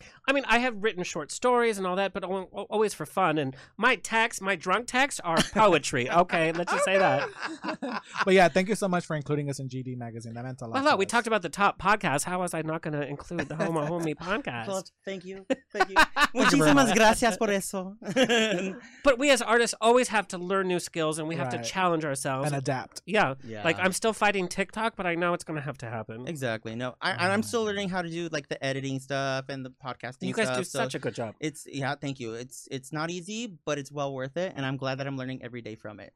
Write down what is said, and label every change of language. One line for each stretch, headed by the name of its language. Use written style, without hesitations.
English: I mean, I have written short stories and all that, but always for fun. And my texts, my drunk texts are poetry. Okay, let's just say that. But yeah, thank you so much for including us in GD Magazine. That meant a lot. Well, we talked about the top podcast. How was I not going to include the Homo Homie podcast? Well, thank you. Thank you.
Spanish: Muchísimas gracias por eso.
English: But we as artists always have to learn new skills and we have to challenge ourselves. And adapt. Yeah. Like, I'm still fighting TikTok, but I know it's going to have to happen. Exactly. No, I'm still learning how to do, like, the editing stuff and the podcasting. You guys stuff, do such a good job. It's thank you. It's not easy, but it's well worth it, and I'm glad that I'm learning every day from it.